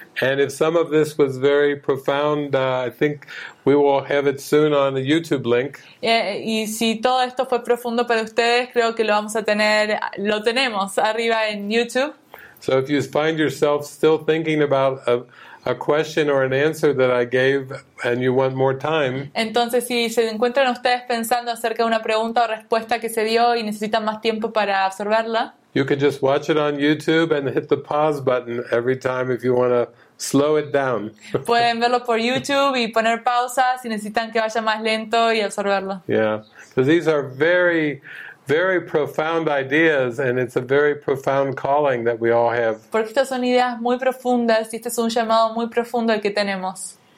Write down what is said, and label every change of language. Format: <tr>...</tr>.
<en>And if some of this was very profound, I think we will have it soon on a YouTube link.</en> <es>Y si todo esto fue profundo para ustedes, creo que lo vamos a tener, lo tenemos arriba en YouTube.</es> <en>So if you find yourself still thinking about a question or an answer that I gave and you want more time.</en> <es>Entonces, si se encuentran ustedes pensando acerca de una pregunta o respuesta que se dio y necesitan más tiempo para absorberla.</es> <en>You can just watch it on YouTube and hit the pause button every time if you want to slow it down.</en> <es>Pueden verlo por YouTube y poner pausa si necesitan que vaya más lento y absorberlo.</es> <en>Yeah, because these are very, very profound ideas, and it's a very profound calling that we all have.</en> <es>Porque estas son ideas muy profundas y este es un llamado muy profundo el que tenemos.</es>